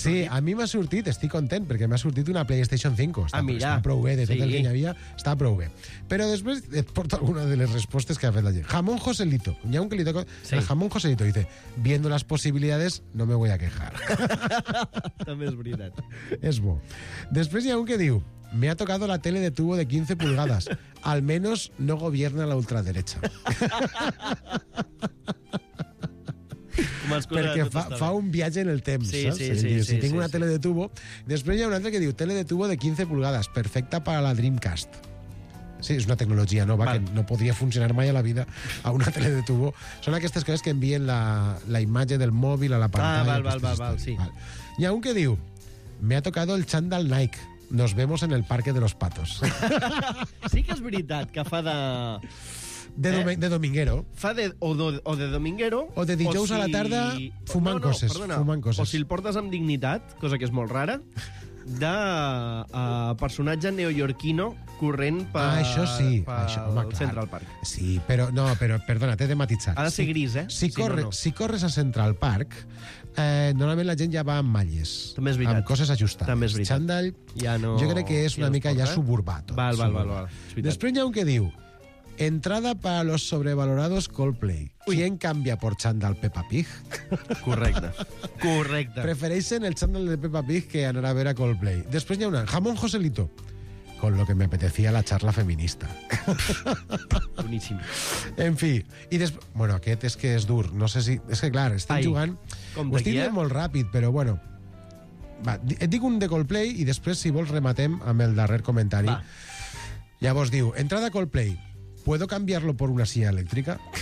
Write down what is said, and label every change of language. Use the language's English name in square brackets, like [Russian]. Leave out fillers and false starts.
[Catalan] sí, sortit? Sí, a mi m'ha sortit, estic content, perquè m'ha sortit una PlayStation 5. Està, mira. Està prou bé, de tot sí. El que hi havia, està prou bé. Però després et porto alguna de les respostes que ha fet la gent. Jamón Joselito. Hi ha un que li toca... Sí. [Spanish] El Jamón Joselito dice, viendo las posibilidades, no me voy a quejar. [Catalan] També és veritat. És bo. Després hi ha un que diu, [Spanish] me ha tocado la tele de tubo de 15 pulgadas. Al menos no gobierna la ultraderecha. [Catalan] Perquè fa un viatge en el temps, sí, saps? Sí, sí, diu, sí, si tinc sí, una sí. [Spanish] Tele de tubo... [Catalan] Després hi ha una altra que diu, tele de tubo de 15 pulgades, perfecta per a la Dreamcast. Sí, és una tecnologia nova que no podria funcionar mai a la vida a una tele de tubo. Són aquestes coses que envien la imatge del mòbil a la pantalla. Ah, val, sí. Val. Hi ha un que diu, [Spanish] me ha tocado el chándal Nike. Nos vemos en el Parque de los Patos. [Catalan] Sí que és veritat que fa de... De dominguero. Fa de, o de dominguero... O de dijous o si... a la tarda fumant no, coses. Perdona, fumant coses. O si el portes amb dignitat, cosa que és molt rara, de personatge neoyorquino corrent per Central Park. Sí, però, no, però perdona, t'he de matitzar. Ha de ser gris, eh? Si corres a Central Park, normalment la gent ja va amb malles. També és veritat. Amb coses ajustades. També és veritat. Xandall, ja no... jo crec que és una mica ja suburbà. Tot, val. Després hi ha un que diu... [Spanish] Entrada para los sobrevalorados Coldplay. ¿Quién cambia por chándal Peppa Pig? [Catalan] Correcte. Prefereixen el chándal de Peppa Pig que anar a ver a Coldplay. Després hi ha una. Jamón Joselito. [Spanish] Con lo que me apetecía la charla feminista. [Catalan] Boníssim. En fi. I després... Bueno, aquest és que és dur. No sé si... És que, clar, estic jugant... Com estic guia? Molt ràpid, però bueno... Va, et dic un de Coldplay i després, si vols, rematem amb el darrer comentari. Va. Llavors diu, entrada a Coldplay... [Spanish] ¿Puedo cambiarlo por una silla eléctrica?